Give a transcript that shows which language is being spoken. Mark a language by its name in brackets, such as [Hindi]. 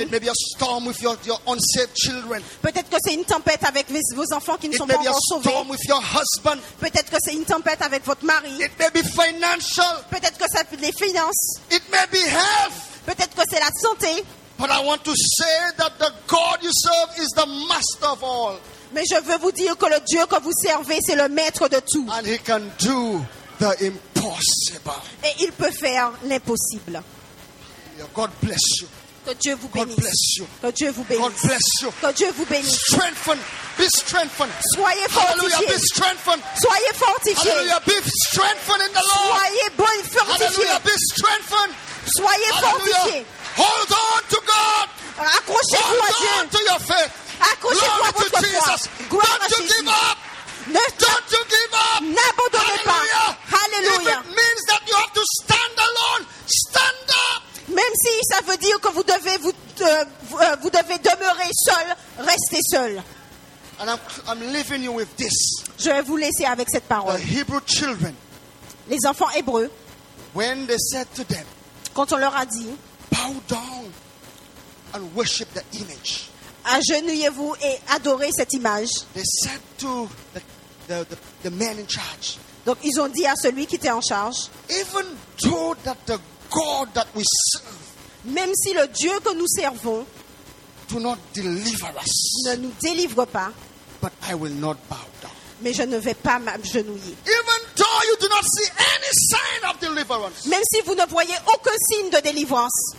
[English] It may be a storm with your unsaved children. [French] Peut-être que c'est une tempête avec vos enfants qui ne [English] it [French] sont pas encore sauvés. [English] It may be a storm with your husband. [French] Peut-être que c'est une tempête avec votre mari. [English] It may be financial. [French] Peut-être que c'est les finances. [English] It may be health. [French] Peut-être que c'est la santé. [English] But I want to say that the God you serve is the master of all. [French] Mais je veux vous dire que le Dieu que vous servez, c'est le maître de tout. [English] And he can do the impossible. [French] Et il peut faire l'impossible. [English] God bless you. [French] Que Dieu vous bénisse. [English] God bless you. [French] Que Dieu vous bénisse. [English] God bless you. [French] Que Dieu vous bénisse. [English] Strengthen. Be strengthened. [French] Soyez fortifié. [English] Hallelujah. Be strengthened. [French] Soyez fortifié. [English] Hallelujah. Be strengthened in the Lord. [French] Soyez bon fortifié. [English] Hallelujah. Be strengthened. [French] Soyez fortifié. [English] Hold on to God. [French] Accrochez-vous à Dieu. [English] Hold on to your faith. [French] Accrochez-vous à votre foi. [English] Don't you give up. Don't you give up. [French] N'abandonnez pas. [English] Hallelujah. If it means that you have to stand alone, stand up. [French] Même si ça veut dire que vous devez vous devez demeurer seul, restez seul. [English] And I'm leaving you with this. [French] Je vais vous laisser avec cette parole. [English] The Hebrew children. [French] Les enfants hébreux. [English] When they said to them. [French] Quand on leur a dit. [English] Bow down and worship the image. [French] Agenouillez-vous et adorez cette image. [English] They said to the man in charge. [French] Donc ils ont dit à celui qui était en charge. [English] Even though that the God that we serve. [French] Même si le Dieu que nous servons. [English] Do not deliver us. [French] Ne nous délivre pas. [English] But I will not bow down. [French] Mais je ne vais pas m'agenouiller. [English] Even though you do not see any sign of deliverance. [French] Même si vous ne voyez aucun signe de délivrance.